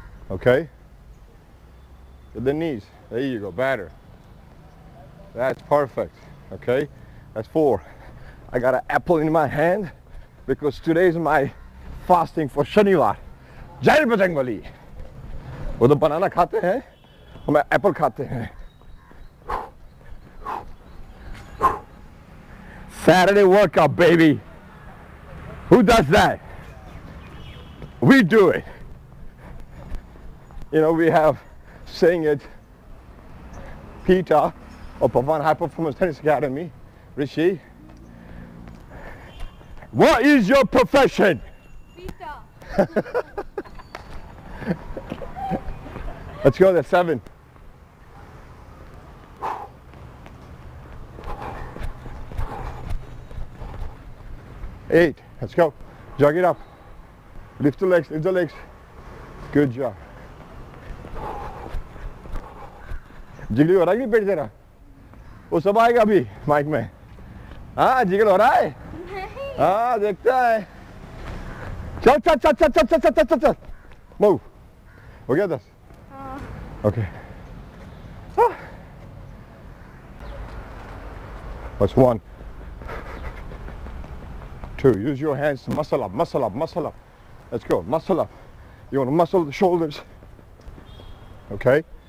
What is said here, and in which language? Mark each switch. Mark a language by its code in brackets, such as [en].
[en] Okay? The knees. There you go. Better. That's perfect. Okay? That's four. I got an apple in my hand because today is my fasting for Shaniwar. [hi] जय बजरंगबली. वो तो बनाना खाते हैं, हम Apple खाते हैं. [en] Saturday workout, baby. Who does that? We do it. You know, we have saying it, Peter of Pavan High Performance Tennis Academy, Rishi. What is your profession? Peter. Let's go to seven. Eight, let's go. Jog it up. Lift the legs, lift the legs. Good job. [hi] Jiggle हो रहा है पेट तेरा? वो सब आएगा अभी mic में. आह, jiggle हो रहा है? आह, देखता है. चल, चल, चल, चल, चल, चल, चल, चल, चल, चल. [en] Move. [hi] हो गया दस? [en] Okay. That's one. Two, use your hands to muscle up, muscle up, muscle up. Let's go, muscle up. You want to muscle the shoulders. Okay.